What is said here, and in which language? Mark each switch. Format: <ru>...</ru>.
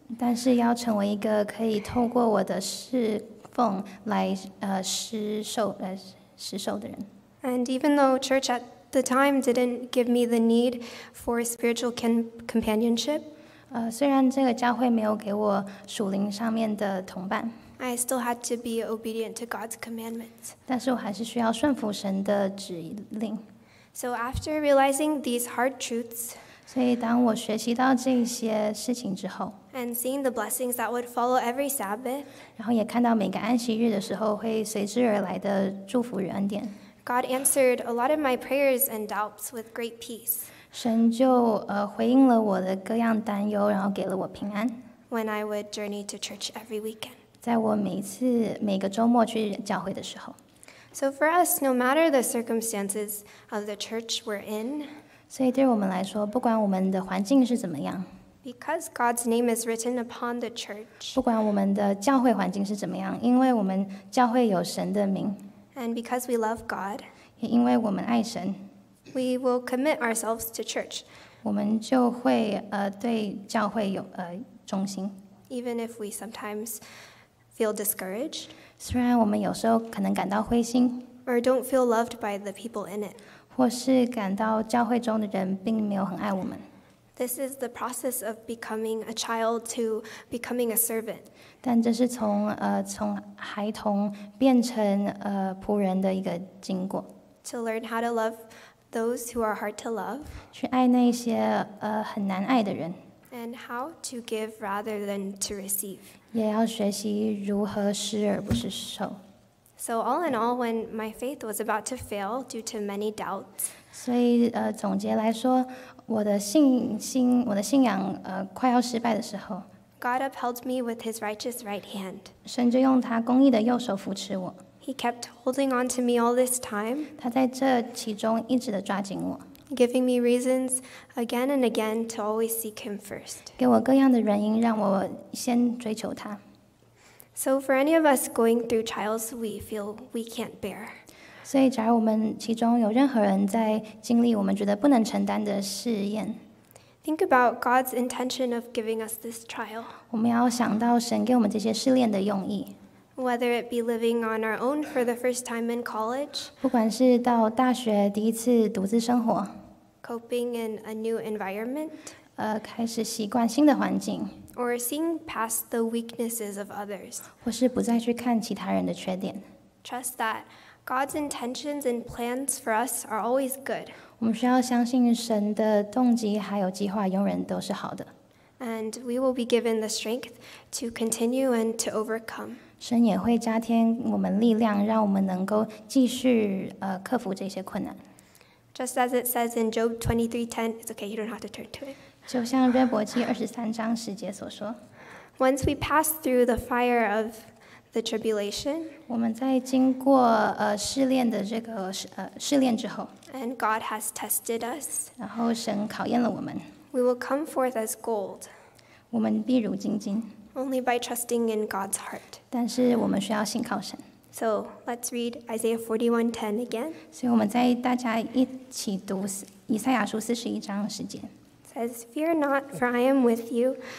<zh>但是要成为一个可以透过我的侍奉来施受的人。</zh> <en>And even though church at the time didn't give me the need for spiritual companionship,</en> <zh>虽然这个教会没有给我属灵上面的同伴，</zh> <en>I still had to be obedient to God's commandments.</en> <zh>但是我还是需要顺服神的指令。</zh> <en>So after realizing these hard truths,</en> <zh>所以当我学习到这些事情之后，</zh> <en>and seeing the blessings that would follow every Sabbath,</en> <zh>然后也看到每个安息日的时候会随之而来的祝福与恩典，</zh> <en>God answered a lot of my prayers and doubts with great peace.</en> <zh>神就回应了我的各样担忧，然后给了我平安。</zh> <en>When I would journey to church every weekend,</en> <zh>在我每个周末去教会的时候。</zh> <en>So for us, no matter the circumstances of the church we're in,</en> <zh>所以对我们来说，不管我们的环境是怎么样，</zh> <en>because God's name is written upon the church,</en> <zh>不管我们的教会环境是怎么样，因为我们教会有神的名，</zh> <en>and because we love God,</en> <zh>也因为我们爱神，</zh> <en>we will commit ourselves to church,</en> <zh>我们就会对教会有忠心，</zh> <en>even if we sometimes feel discouraged.</en> <zh>虽然我们有时候可能感到灰心，</zh> <en>or don't feel loved by the people in it，</en> <zh>或是感到教会中的人并没有很爱我们。</zh> <en>This is the process of becoming a child to becoming a servant。</en> <zh>但这是从孩童变成仆人的一个经过。</zh> <en>To learn how to love those who are hard to love。</en> <zh>去爱那些很难爱的人。</zh> <en>And how to give rather than to receive。</en> <zh>也要学习如何施而不是受。</zh> <en>So all in all, when my faith was about to fail due to many doubts,</en> <zh>所以总结来说，我的信仰快要失败的时候，</zh> <en>God upheld me with His righteous right hand.</en> <zh>神就用他公义的右手扶持我。</zh> <en>He kept holding on to me all this time.</en> <zh>他在这其中一直的抓紧我。</zh> <en>Giving me reasons again and again to always seek Him first.</en> <zh>给我各样的原因，让我先追求他。</zh> <en>So for any of us going through trials, we feel we can't bear.</en> <zh>所以假如我们其中有任何人在经历我们觉得不能承担的试验，</zh> <en>Think about God's intention of giving us this trial.</en> <zh>我们要想到神给我们这些试炼的用意。</zh> <en>Whether it be living on our own for the first time in college,</en> <zh>不管是到大学第一次独自生活，</zh> <en>coping in a new environment,</en> <zh>开始习惯新的环境，</zh> <en>or seeing past the weaknesses of others,</en> <zh>或是不再去看其他人的缺点，</zh> <en>trust that God's intentions and plans for us are always good.</en> <zh>我们需要相信神的动机还有计划永远都是好的。</zh> <en>And we will be given the strength to continue and to overcome.</en> <zh>神也会加添我们力量，让我们能够继续克服这些困难。</zh> <en>Just as it says in Job 23:10, it's okay, you don't have to turn to it.</en> <zh>就像约伯记23:10所说。</zh> <en>Once we pass through the fire of the tribulation,</en> <zh>我们在经过试炼的这个试炼之后，</zh> <en>and God has tested us,</en> <zh>然后神考验了我们，</zh> <en>we will come forth as gold.</en> <zh>我们必如金金。</zh> <en>Only by trusting in God's heart.</en> <zh>但是我们需要信靠神。</zh> <en>So let's read Isaiah 41:10 again.</en> <zh>所以我们再大家一起读以赛亚书41:10。</zh> <en>It says, "Fear not, for I am with you.</en>